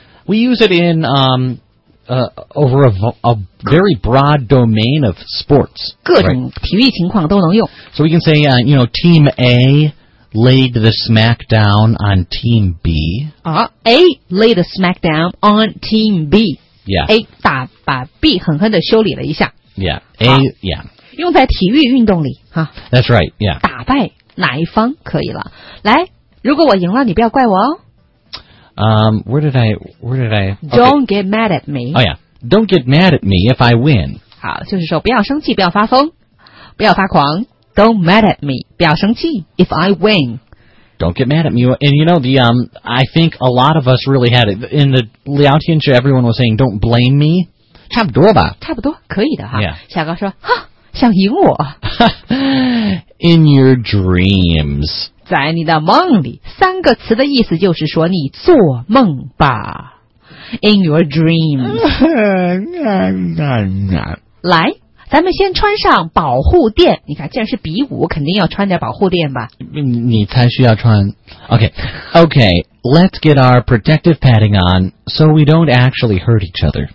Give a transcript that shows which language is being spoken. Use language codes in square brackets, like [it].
[en] We use it in over a very broad domain of sports. [zh] 各种体育情况都能用. [en] Right? So we can say, Team A laid the smack down on Team B. A laid the smack down on Team B. Yeah. [zh] A 把B狠狠地修理了一下. [en] Yeah. A, yeah. [zh] 用在体育运动里, huh? [en] That's right, yeah. [zh] 打败. 哪一方可以了？来，如果我赢了，你不要怪我哦。 [en] Where did I? Don't get mad at me. Oh yeah, don't get mad at me if I win. [zh] 好，就是说不要生气，不要发疯，不要发狂。 [en] Don't mad at me. [zh] 不要生气 [en] if I win. Don't get mad at me. And you know the I think a lot of us really had it in the Liao Tianxi. Everyone was saying, "Don't blame me. [zh] 差不多吧。差不多，可以的哈。 [en] Yeah. [zh] 小高说，哈，想赢我。 [en] In your dreams. [zh] 在你的梦里，三个词的意思就是说你做梦吧。 [en] In your dreams. [zh] 来，咱们先穿上保护垫。你看，既然是比武，肯定要穿点保护垫吧。你才需要穿。 [en] Okay, let's get our protective padding on so we don't actually hurt each other.